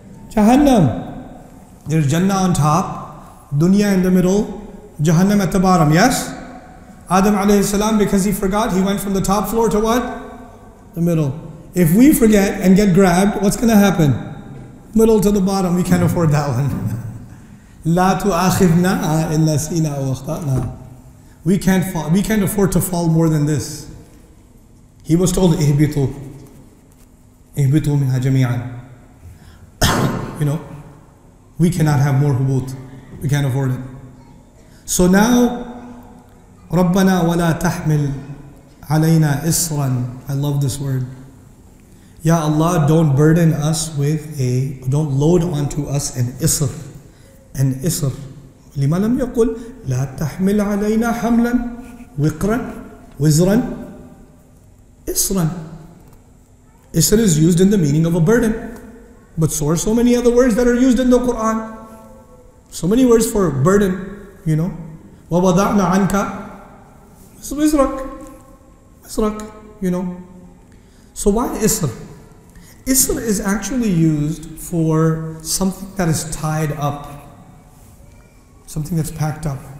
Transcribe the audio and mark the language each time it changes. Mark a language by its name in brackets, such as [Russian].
[English] Jahannam. There's Jannah on top, Dunya in the middle, Jahannam at the bottom, yes? Adam alayhi salam, because he forgot, he went from the top floor to what? The middle. If we forget and get grabbed, what's going to happen? Middle to the bottom, we can't afford that one. [Arabic] لا تؤاخذنا إن نسينا أو أخطأنا. [English] We can't afford to fall more than this. He was told [Arabic] اهبطوا منها جميعا. [English] You know, we cannot have more hubut. We can't afford it. So now [Arabic] ربنا ولا تحمل علينا إصرا. [English] I love this word. Ya Allah, don't burden us with don't load onto us an isr. An isr. [Arabic] لما لم يقل لا تحمل علينا حملا وقرا وزرا اسرا. [English] Isr is used in the meaning of a burden. But so are so many other words that are used in the Quran. So many words for burden, you know. [Arabic] ووضعنا عنك وزرك. [English] وزرك, you know. So why isr? Isr is actually used for something that is tied up. Something that's packed up.